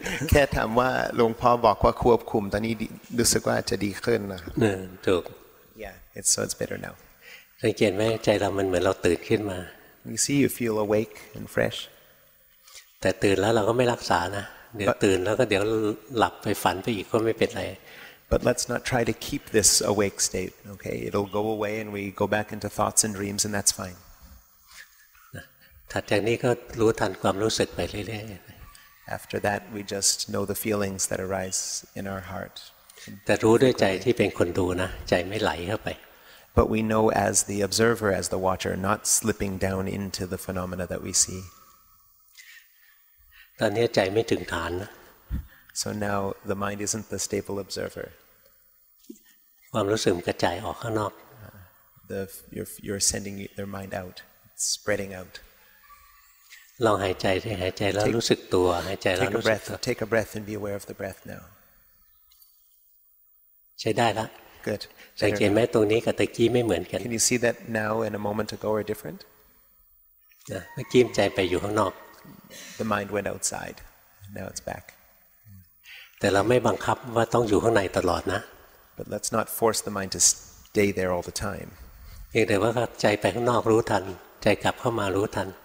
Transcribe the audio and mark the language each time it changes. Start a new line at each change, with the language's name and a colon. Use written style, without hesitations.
Thai: แค่ถามว่าหลวงพ่อบอกว่าควบคุมตอนนี้รู้สึกว่าจะดีขึ้นนะ เนี่ยถูก
English: Yeah, it's better now.
Thai: สังเกตไหมใจเรามันเหมือนเราตื่นขึ้นมา
English: You see, you feel awake and fresh.
Thai: แต่ตื่นแล้วเราก็ไม่รักษานะเดี๋ยวตื่นแล้วก็เดี๋ยวหลับไปฝันไปอีกก็ไม่เป็นไร
English: But let's not try to keep this awake state okay it'll go away and we go back into thoughts and dreams and that's fine
Thai: ถัดจากนี้ก็รู้ทันความรู้สึกไปเรื่อย
English: ๆ After that we just know the feelings that arise in our heart
Thai: แต่รู้ด้วยใจที่เป็นคนดูนะใจไม่ไหลเข้าไป
English: But we know as the observer as the watcher not slipping down into the phenomena that we see
Thai: ตอนนี้ใจไม่ถึงฐานนะ
English: So now the mind isn't the stable observer.
Thai: ความรู้สึกกระจายออกข้างนอก
English: You're sending their mind out, spreading out.
Thai: ลองหายใจที่หายใจแล้วรู้สึกตัวหายใจแล้วรู้สึกตัว
English: Take a breath and be aware of the breath now.
Thai: ใช้ได้แล้ว
English: Good.
Thai: สังเกตไหมตรงนี้กับตะกี้ไม่เหมือนกัน
English: Can you see that now and a moment ago are different?
Thai: เมื่อกี้ใจไปอยู่ข้างนอก
English: The mind went outside. Now it's back.
Thai: แต่เราไม่บังคับว่าต้องอยู่ข้างในตลอดนะ
English: But let's not force the mind to stay there all the time.
Thai: เพียงแต่ว่าใจไปข้างนอกรู้ทันใจกลับเข้ามารู้ทัน